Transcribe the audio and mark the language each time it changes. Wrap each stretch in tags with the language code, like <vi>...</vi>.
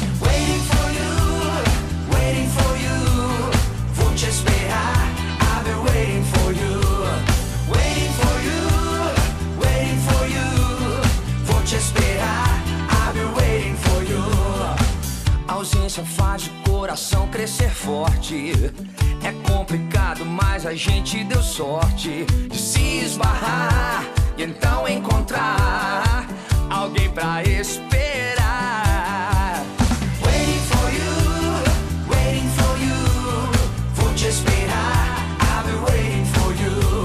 <en>Waiting for you, waiting for you.</en> <pt>Vou te esperar,</pt> <en>I've been waiting for you. Waiting for you, waiting for you.</en> <pt>Vou te esperar,</pt> <en>I've been waiting for you.</en> <pt>A ausência faz o coração crescer forte. É complicado, mas a gente deu sorte de se esbarrar e então encontrar alguém pra esperar.</pt> <en>Waiting for you, waiting for you.</en> <pt>Vou te esperar,</pt> <en>I've been waiting for you.</en>